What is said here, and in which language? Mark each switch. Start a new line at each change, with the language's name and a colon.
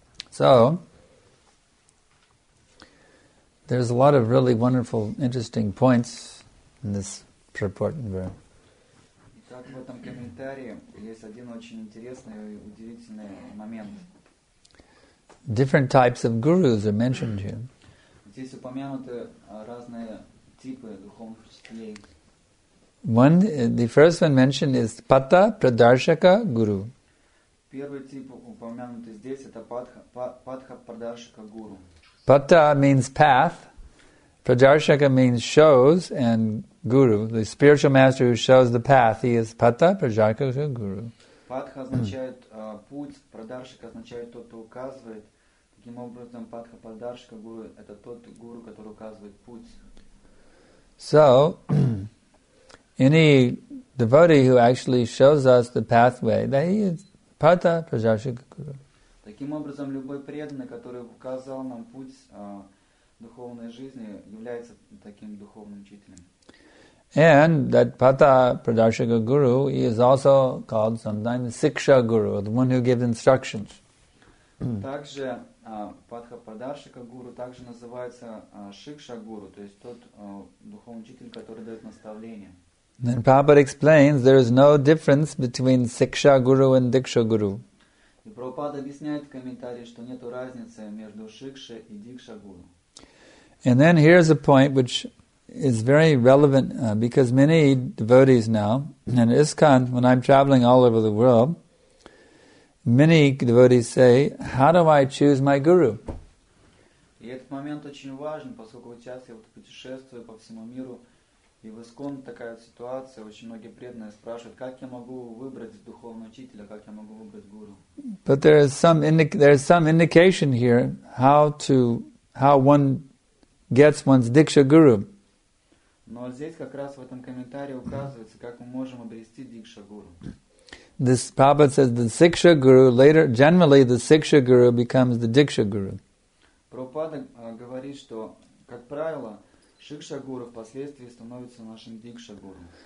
English: So, there's a lot of really wonderful, interesting points in this purport.
Russian: Итак, в этом комментарии есть один очень интересный и удивительный момент.
English: Different types of gurus are mentioned here.
Russian: Здесь упомянуты разные типы духовных учителей.
English: One, the first one mentioned is Patta Pradarshaka Guru.
Russian: Первый тип упомянутый здесь это Патха Прадаршака Гуру.
English: Patta means path, Pradarshaka means shows, and Guru, the spiritual master who shows the path, he is Patta Prajarkaka Guru.
Russian: Патха означает путь, Прадаршака означает тот, кто указывает. Таким образом, Патха Прадаршака Гуру – это тот гуру, который указывает путь.
English: So, any devotee who actually shows us the pathway, that he is Patta Prajarkaka Guru.
Russian: Таким образом, любой преданный, который указал нам путь духовной жизни, является таким духовным учителем.
English: And that Patta Pradarshaka Guru is also called sometimes Siksha Guru, the one who gives instructions.
Russian: Также Патха Прадаршака Гуру также называется Шикша Гуру, то есть тот духовный учитель, который дает наставление.
English: Then Prabhupada explains there is no difference between Siksha Guru and Diksha Guru.
Russian: И Прабхупада объясняет в комментарии, что нет разницы между Шикша и Дикша Гуру.
English: And then here's a point which is very relevant because many devotees now, and ISKCON, when I'm traveling all over the world, many devotees say, how do I choose my guru?
Russian: И этот момент очень важен, поскольку сейчас я путешествую по всему миру, И в ИСККОН такая ситуация, очень многие преданные спрашивают, как я могу выбрать духовного учителя, как я могу выбрать гуру.
English: But there is some indication here how one gets one's Diksha Guru.
Russian: Но здесь как раз в этом комментарии указывается, как мы можем обрести Диксха Гуру.
English: This Prabhupada says the Siksha Guru, later, generally the Siksha Guru becomes the Diksha Guru.
Russian: Prabhupada говорит, что, как правило, Шикша Гуру впоследствии становится нашим Дикша Гуру.